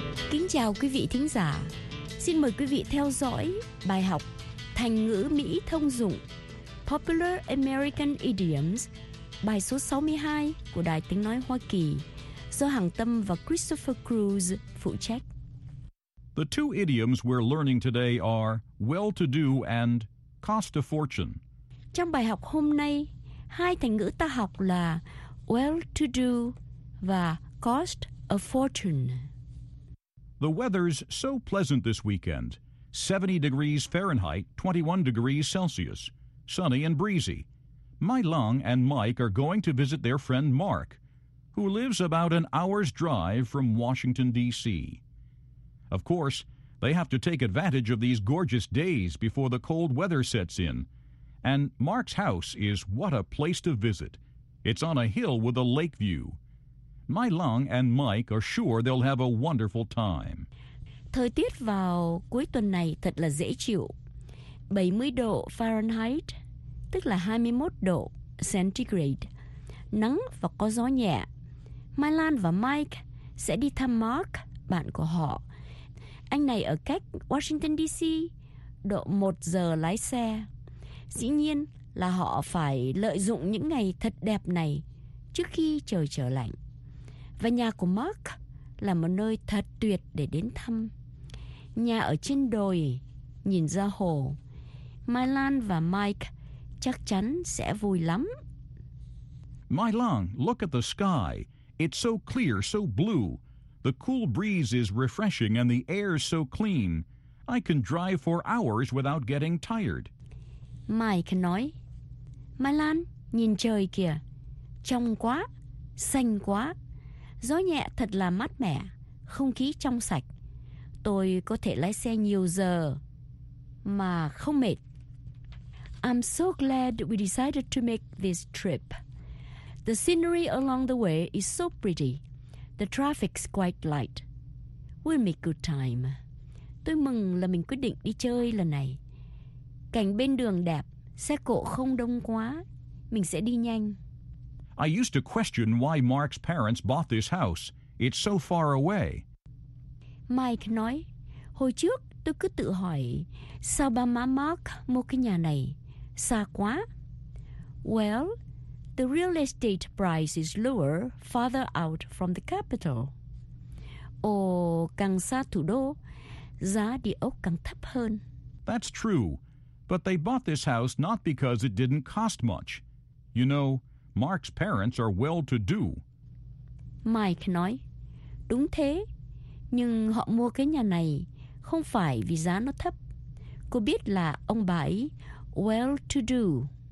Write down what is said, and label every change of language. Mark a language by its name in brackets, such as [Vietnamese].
[Vietnamese] Kính chào quý vị thính giả. Xin mời quý vị theo dõi bài học thành ngữ Mỹ thông dụng Popular American Idioms, bài số 62 của Đài Tiếng Nói Hoa Kỳ, do Hằng Tâm và Christopher Cruz phụ trách. [English] The two idioms we're learning today are well-to-do and cost a fortune. [Vietnamese] Trong bài học hôm nay, hai thành ngữ ta học là well-to-do và cost a fortune. [English] The weather's so pleasant this weekend. 70 degrees Fahrenheit, 21 degrees Celsius. Sunny and breezy. My Lung and Mike are going to visit their friend Mark, who lives about an hour's drive from Washington, D.C. Of course, they have to take advantage of these gorgeous days before the cold weather sets in. And Mark's house is what a place to visit. It's on a hill with a lake view. Mai Lang and Mike are sure they'll have a wonderful time. [Vietnamese] Thời tiết vào cuối tuần này thật là dễ chịu. 70 độ Fahrenheit, tức là 21 độ Centigrade. Nắng và có gió nhẹ. Mai Lan và Mike sẽ đi thăm Mark, bạn của họ. Anh này ở cách Washington DC, độ 1 giờ lái xe. Dĩ nhiên là họ phải lợi dụng những ngày thật đẹp này trước khi trời trở lạnh. Và nhà của Mark là một nơi thật tuyệt để đến thăm. Nhà ở trên đồi, nhìn ra hồ. Mai Lan và Mike chắc chắn sẽ vui lắm. [English] Mai Lan, look at the sky. It's so clear, so blue. The cool breeze is refreshing and the air is so clean. I can drive for hours without getting tired. [Vietnamese] Mike nói, Mai Lan, nhìn trời kìa. Trong quá, xanh quá. Gió nhẹ thật là mát mẻ, không khí trong sạch. Tôi có thể lái xe nhiều giờ mà không mệt. [English] I'm so glad we decided to make this trip. The scenery along the way is so pretty. The traffic's quite light. We'll make good time. [Vietnamese] Tôi mừng là mình quyết định đi chơi lần này. Cảnh bên đường đẹp, xe cộ không đông quá. Mình sẽ đi nhanh. [English] I used to question why Mark's parents bought this house. It's so far away. [Vietnamese] Mike nói, hồi trước tôi cứ tự hỏi, sao ba má Mark mua cái nhà này? Xa quá. [English] Well, the real estate price is lower farther out from the capital. [Vietnamese] Ồ, càng xa thủ đô, giá địa ốc càng thấp hơn. [English] That's true. But they bought this house not because it didn't cost much. You know, Mark's parents are well-to-do. [Vietnamese] Mike nói, đúng thế, nhưng họ mua cái nhà này không phải vì giá nó thấp. Cô biết là ông bà ấy well-to-do.